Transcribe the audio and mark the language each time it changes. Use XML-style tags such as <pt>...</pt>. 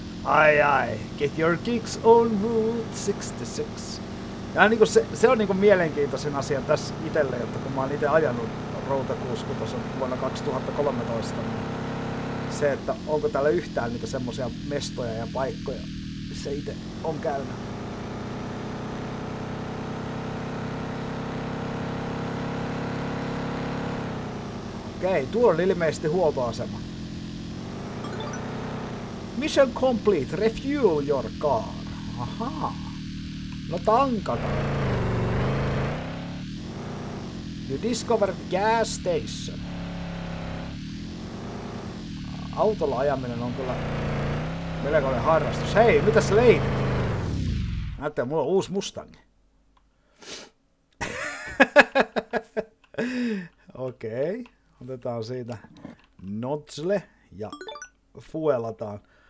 <en>Ai ai, get your kicks on route 66.</en> <fi>Ja niin kuin se on niin kuin mielenkiintoisen asian tässä itselle, että kun mä oon itse ajanut Routa 66 vuonna 2013, niin se, että onko täällä yhtään niitä semmosia mestoja ja paikkoja, missä itse on käynyt. Okei, tuolla on ilmeisesti huoltoasema.</fi> <en>Mission complete. Refuel your car. Aha.</en> <fi>No tankata.</fi> <en>You discovered gas station.</en> <fi>Autolla ajaminen on kyllä melkoinen harrastus. Hei, mitäs leidit? Näette, mulla on uusi Mustang. Okei. Okay. Otetaan siitä notsle ja fuelataan.</fi>